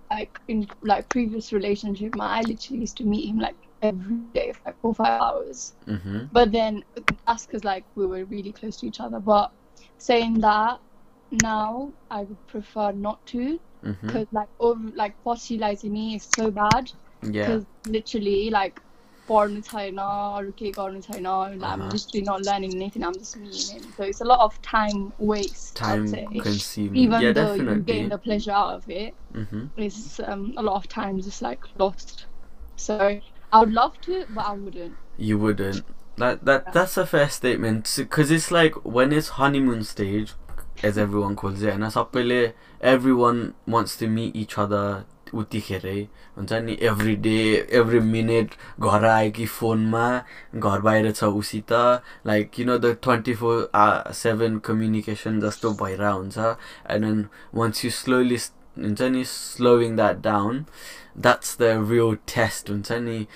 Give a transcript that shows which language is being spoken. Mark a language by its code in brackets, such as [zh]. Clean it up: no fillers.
[en] Like in like previous relationship, I literally used to meet him like every day for like 4 or 5 hours. Mm-hmm. But then that's because like we were really close to each other. But saying that, now I would prefer not to. Because, like, fossilizing me is so bad. Yeah. Because, literally, like, [ne] पढ्नु छैन अरू केही गर्नु छैन learning नै थिएन [en] so it's a lot of time waste even the gain the pleasure out of it it's a lot of time just like lust so I would love to but I wouldn't you wouldn't That's a fair statement, because it's like when it's honeymoon stage, as everyone calls it, and everyone wants to meet each other every day, every minute, [ne] ghar aayeki phone ma, ghar bahira cha usita, [en] like, you know, the 24/7 communication [ne] jasto bhaira huncha, [en] and then once you slowly, slowing that down, that's the real test, don't you?